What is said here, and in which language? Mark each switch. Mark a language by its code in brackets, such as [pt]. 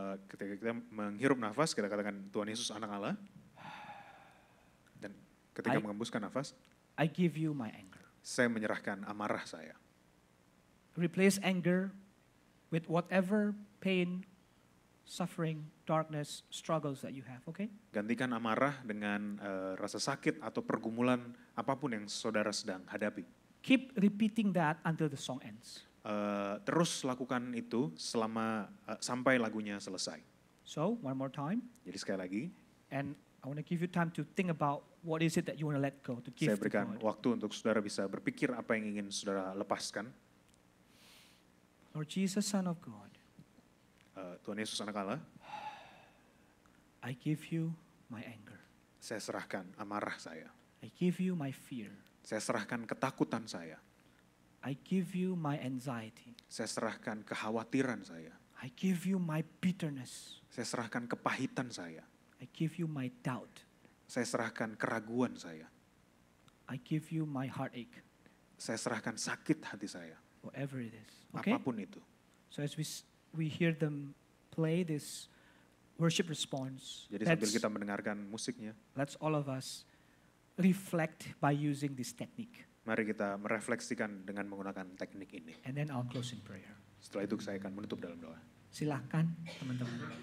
[id] Ketika kita menghirup nafas, kita katakan Tuhan Yesus, Anak Allah. Dan ketika mengembuskan nafas, [en] I give you my anger. [id] Saya menyerahkan amarah saya. [en] Replace anger with whatever pain, suffering, darkness, struggles that you have, okay? [id] Gantikan amarah dengan rasa sakit atau pergumulan apapun yang saudara sedang hadapi. [en] Keep repeating that until the song ends. [id] Terus lakukan itu selama sampai lagunya selesai. [en] So, one more time. [id] Jadi sekali lagi. [en] And I want to give you time to think about what is it that you want to let go, to give. [id] Saya berikan [en] to God. [id] Waktu untuk saudara bisa berpikir apa yang ingin saudara lepaskan. [en] Lord Jesus, Son of God. [id] Tuhan Yesus, Anak Allah. [en] I give you my anger. [id] Saya serahkan amarah saya. [en] I give you my fear. [id] Saya serahkan ketakutan saya. [en] I give you my anxiety. [id] Saya serahkan kekhawatiran saya. [en] I give you my bitterness. [id] Saya serahkan kepahitan saya. [en] I give you my doubt. [id] Saya serahkan keraguan saya. [en] I give you my heartache. [id] Saya serahkan sakit hati saya. [en] Whatever it is. Okay? [id] Apapun itu. [en] So as we hear them play this worship response. [id] Jadi sambil kita mendengarkan musiknya. [en] Let's all of us reflect by using this technique. [id] Mari kita merefleksikan dengan menggunakan teknik ini. [en] And then I'll close in prayer. [id] Setelah itu saya akan menutup dalam doa. Silakan teman-teman.